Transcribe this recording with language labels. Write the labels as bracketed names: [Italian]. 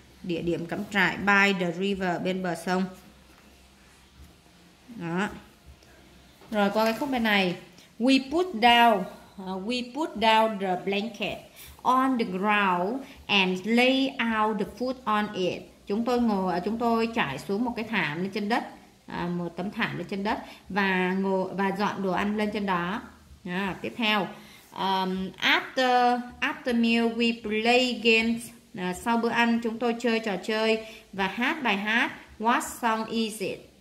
[Vietnamese] Địa điểm cắm trại, [English] by the river, [Vietnamese] bên bờ sông. Đó. Rồi qua cái khúc bên này. [English] We put down the blanket on the ground and lay out the food on it. [Vietnamese] Chúng tôi trải xuống một cái thảm lên trên đất, một tấm thảm lên trên đất và dọn đồ ăn lên trên đó. Đó. Tiếp theo. [English] After meal we play games. [Vietnamese] Sau bữa ăn chúng tôi chơi trò chơi và hát bài hát [English] What song is it?